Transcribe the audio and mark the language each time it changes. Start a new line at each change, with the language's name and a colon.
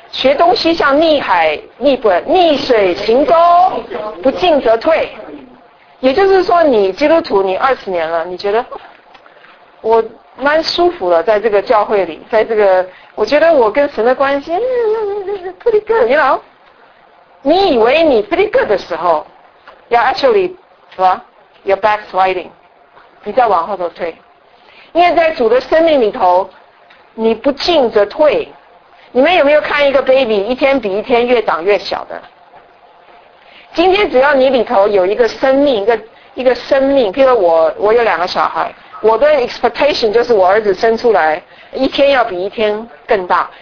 Chinese: 学东西像逆海逆不逆水行舟，不进则退。也就是说，你基督徒，你二十年了，你觉得我蛮舒服的，在这个教会里，在这个，我觉得我跟神的关系
English: pretty good， you know？
Chinese: 你以为你
English: pretty good
Chinese: 的时候。
English: You're actually, you're backsliding.
Chinese: 你再往后头退，因为在主的生命里头，你不进则退。你们有没有看一个 baby 一天比一天越长越小的？今天只要你里头有一个生命，一个生命，譬如我有两个小孩，我的
English: expectation
Chinese: 就是我儿子生出来一天要比一天更大。